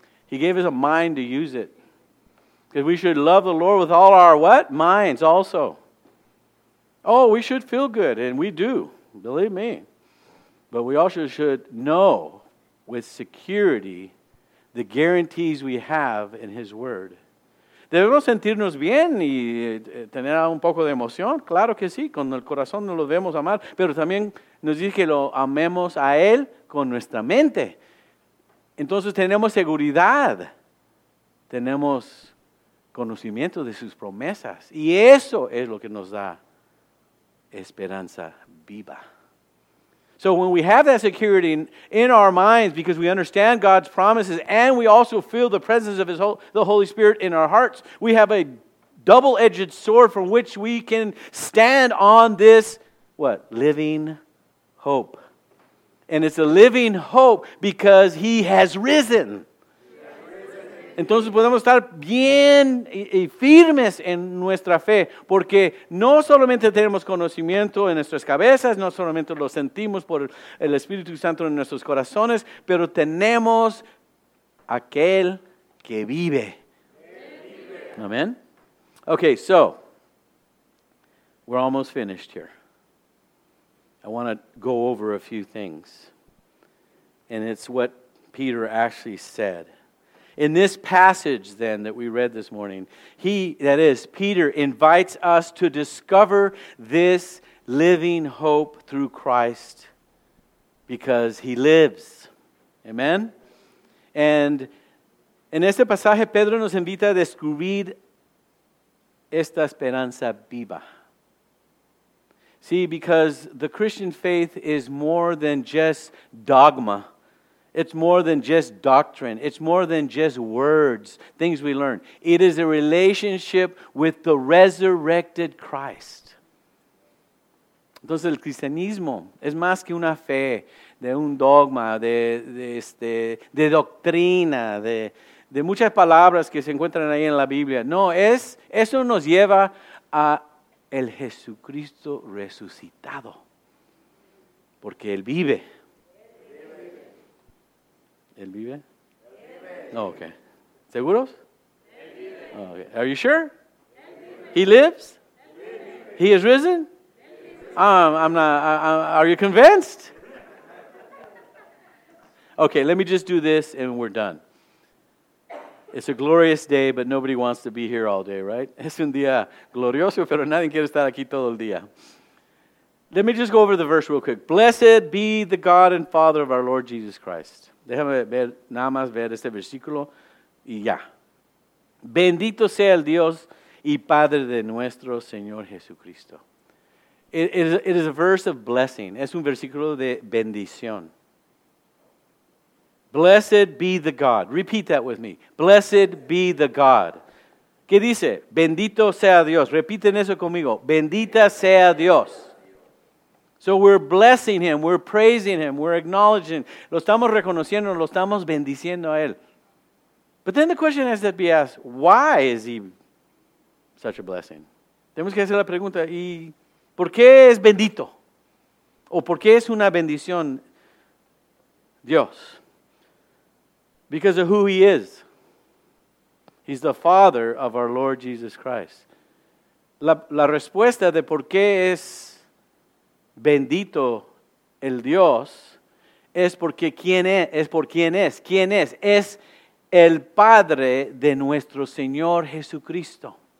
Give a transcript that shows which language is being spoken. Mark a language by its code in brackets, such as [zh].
[en] He gave us a mind to use it. Because we should love the Lord with all our what? Minds also. Oh, we should feel good, and we do, believe me. But we also should know with security the guarantees we have in His Word. [es] Debemos sentirnos bien y tener un poco de emoción. Claro que sí, con el corazón nos lo debemos amar. Pero también nos dice que lo amemos a Él con nuestra mente. Entonces tenemos seguridad. Tenemos conocimiento de sus promesas. Y eso es lo que nos da esperanza viva. [en] So when we have that security in our minds because we understand God's promises and we also feel the presence of the Holy Spirit in our hearts, we have a double-edged sword from which we can stand on this, what? Living hope. And it's a living hope because He has risen. [es] Entonces podemos estar bien y firmes en nuestra fe, porque no solamente tenemos conocimiento en nuestras cabezas, no solamente lo sentimos por el Espíritu Santo en nuestros corazones, pero tenemos aquel que vive. Amén. [en] Okay, so we're almost finished here. I want to go over a few things, and it's what Peter actually said. In this passage, then, that we read this morning, Peter invites us to discover this living hope through Christ because He lives. Amen? [es] And en este pasaje, Pedro nos invita a descubrir esta esperanza viva. [en] See, because the Christian faith is more than just dogma. It's more than just doctrine. It's more than just words, things we learn. It is a relationship with the resurrected Christ. [es] Entonces, el cristianismo es más que una fe, de un dogma, de doctrina, de muchas palabras que se encuentran ahí en la Biblia. No, eso nos lleva a el Jesucristo resucitado, porque Él vive. ¿Él vive? [en] No, oh, okay. [es] ¿Seguros? [en] Oh, okay. Are you sure? He lives? He is risen? Are you convinced? Okay, let me just do this and we're done. It's a glorious day, but nobody wants to be here all day, right? [es] Es un día glorioso, pero nadie quiere estar aquí todo el día. [en] Let me just go over the verse real quick. Blessed be the God and Father of our Lord Jesus Christ. [es] Déjame ver, nada más ver este versículo y ya. Bendito sea el Dios y Padre de nuestro Señor Jesucristo. [en] It is a verse of blessing. [es] Es un versículo de bendición. [en] Blessed be the God. Repeat that with me. Blessed be the God. [es] ¿Qué dice? Bendito sea Dios. Repiten eso conmigo. Bendita sea Dios. [en] So we're blessing Him. We're praising Him. We're acknowledging. [es] Lo estamos reconociendo. Lo estamos bendiciendo a Él. [en] But then the question has to be asked, why is He such a blessing? [es] Tenemos que hacer la pregunta, ¿y por qué es bendito? ¿O por qué es una bendición Dios? [en] Because of who He is. He's the Father of our Lord Jesus Christ. [es] La respuesta de por qué es bendito el Dios es porque quién es por quién es. ¿Quién es? Es el Padre de nuestro Señor Jesucristo.